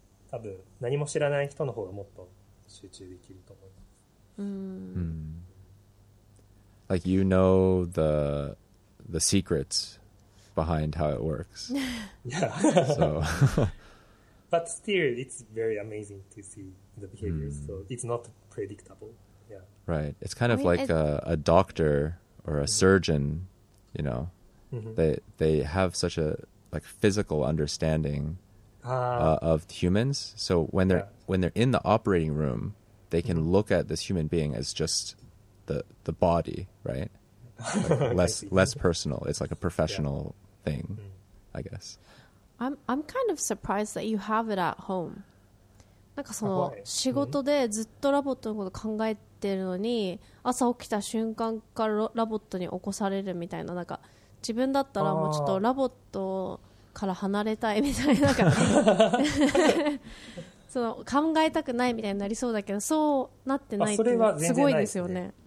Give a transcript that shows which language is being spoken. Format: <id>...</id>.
<ja>多分何も知らない人の方がもっと集中できると思います。</ja> <en>Like you know the secrets behind how it works. Yeah. So. But still, it's very amazing to see the behaviors. So it's not predictable. Yeah. Right. It's kind of like a doctor or a surgeon, you know. They have such a like physical understanding of humans. So when they're when they're in the operating room, they can look at this human being as just the body, right? Like less personal. It's like a professional thing, I guess. I'm kind of surprised that you have it at home.</en> <ja>なんかその仕事でずっとロボットのこと考えてってるのに朝起きた瞬間からロボットに起こされるみたい な, なんか自分だったらもうちょっとロボットから離れたいみたい な, なんかその考えたくないみたいになりそうだけどそうなってないってすごいですよね。</ja>